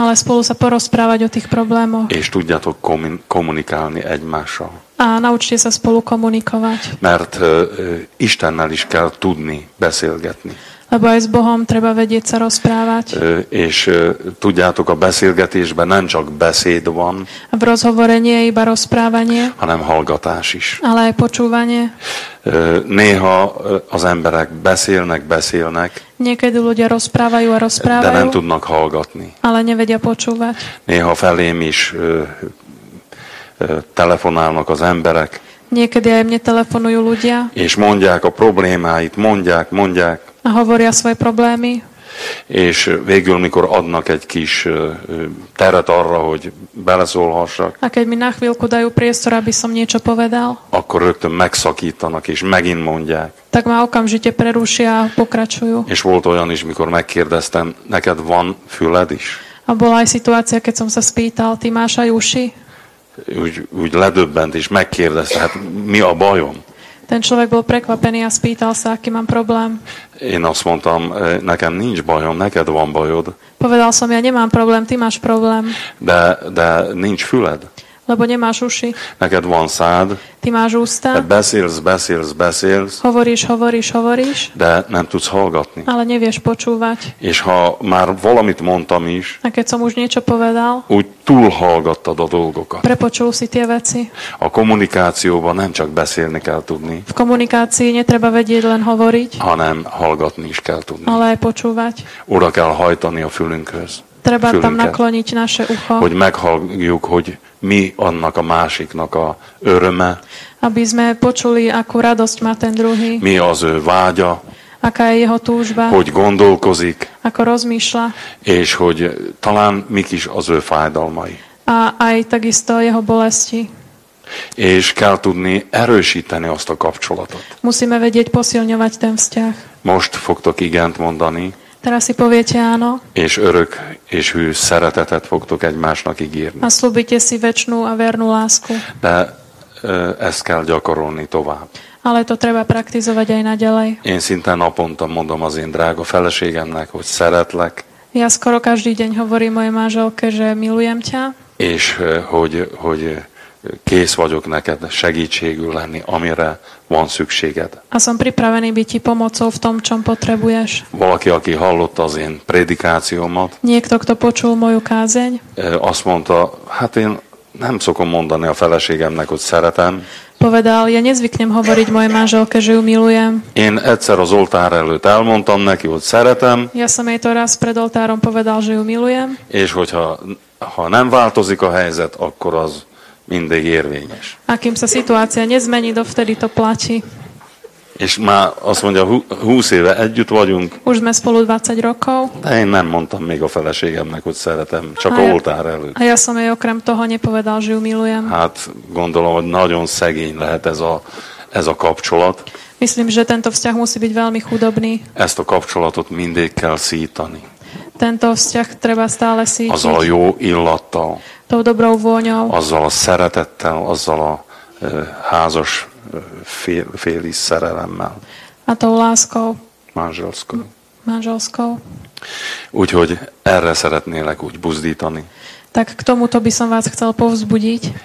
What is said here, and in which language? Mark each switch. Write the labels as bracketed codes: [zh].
[sk] Ale spolu sa porozprávať o tých problémoch. [hu] És tudjatok kommunikálni egymással. [sk] A naučte sa spolu komunikovať. [hu] Mert Istennel is kell tudni beszélgetni. [sk] Lebo aj s Bohom treba vedieť sa rozprávať. [hu] Tudjátok, a beszélgetésben nem csak beszéd van. [sk] A v rozhovore nie je iba rozprávanie. [hu] Hanem hallgatás is. [sk] Ale aj počúvanie. [hu] Néha az emberek beszélnek. [sk] Niekedy ľudia rozprávajú. [hu] De nem tudnak hallgatni. [sk] Ale nevedia počúvať. [hu] Néha felém is telefonálnak az emberek. [sk] Niekedy aj mne telefonujú ľudia. [hu] És mondják a problémáit, mondják. [sk] A hovoria svoje problémy. [hu] És végül, mikor adnak egy kis teret arra, hogy beleszólhassak. [sk] A keď mi na chvíľku dajú priestor, aby som niečo povedal. [hu] Akkor rögtön megszakítanak, és megint mondják. [sk] Tak ma okamžite prerušia a pokračujú. [hu] És volt olyan is, mikor megkérdeztem, neked van füled is? [sk] A bola aj situácia, keď som sa spýtal, ty máš aj uši? [hu] Úgy ledöbbent, és megkérdezte, hát mi a bajom? [sk] Ten človek bol prekvapený a spýtal sa, aký mám problém. [hu] Én azt mondtam, nekem nincs bajom, neked van bajod. [sk] Povedal som, ja nemám problém, ty máš problém. [hu] De nincs füled. [sk] Lebo nemáš uši. [hu] Neked van szád. [sk] Ty máš ústa. [hu] De beszélsz, beszélsz, beszélsz. [sk] Hovoríš, hovoríš, hovoríš. [hu] De nem tudsz hallgatni. [sk] Ale nevieš počúvať. [hu] És ha már valamit mondtam is. [sk] A keď som už niečo povedal. [hu] Úgy túl hallgattad a dolgokat. [sk] Prepočul si tie veci. [hu] A kommunikációban nem csak beszélni kell tudni. [sk] V komunikácii netreba vedieť len hovoriť. [hu] Hanem hallgatni is kell tudni. [sk] Ale aj počúvať. [hu] Oda kell hajtani a fülünkhöz. [sk] Treba tam nakloniť naše ucho. [hu] Hogy meghalljuk, hogy mi annak a másiknak a öröme. [sk] Aby sme počuli, akú radosť má ten druhý. [hu] Mi az ő vágya. [sk] Aká je jeho túžba. [hu] Hogy gondolkozik. [sk] Ako rozmýšľa. [hu] És hogy talán mik is az ő fájdalmai. [sk] A aj takisto jeho bolesti. [hu] És kell tudni erősíteni azt a kapcsolatot. [sk] Musíme vedieť posilňovať ten vzťah. [hu] Most fogtok igent mondani. [sk] Teraz si poviete áno. [hu] És örök és hű szeretetet fogtok egymásnak ígérni. [sk] A slúbite si večnú a vernú lásku. [hu] De ezt kell gyakorolni tovább. [sk] Ale to treba praktizovať aj naďalej. [hu] Én szinte naponta mondom az én drága feleségemnek, hogy szeretlek. [sk] Ja skoro každý deň hovorím mojej manželke, že milujem ťa. [hu] És hogy kész vagyok neked segítségül lenni, amire van szükséged. [sk] A som pripravený byť ti pomocou v tom, čom potrebuješ. [hu] Valaki, aki hallotta az én predikációmat. [sk] Niekto, kto počul moju kázeň. [hu] Azt mondta, hát én nem szokom mondani a feleségemnek, hogy szeretem. [sk] Povedal, ja nezvyknem hovoriť mojej manželke, že ju milujem. [hu] Én egyszer az oltár előtt elmondtam neki, hogy szeretem. [sk] Ja som jej to raz pred oltárom povedal, že ju milujem. [hu] És hogyha nem változik a helyzet, akkor az mindig érvényes. [sk] A kým sa situácia nezmení, dovtedy to platí. [hu] És már azt mondja, 20 éve együtt vagyunk. [sk] Už sme spolu 20 rokov. [hu] De én nem mondtam még a feleségemnek, hogy szeretem, csak a oltár előtt. [sk] A ja som jej okrem toho nepovedal, že ju milujem. [hu] Hát gondolom, hogy nagyon szegény lehet ez a kapcsolat. [sk] Myslím, že tento vzťah musí byť veľmi chudobný. [hu] Ezt a kapcsolatot mindig kell szítani. [sk] Tento vzťah treba stále sítiť. [hu] Azzal a jó illattal. [sk] Tou dobrou vôňou. [hu] Azzal a szeretettel, azzal a házas féli szerelemmel. [sk] A tou láskou. Manželskou. Manželskou. [hu] Úgyhogy erre szeretnélek úgy buzdítani. [sk] Tak k tomuto by som vás chcel povzbudiť.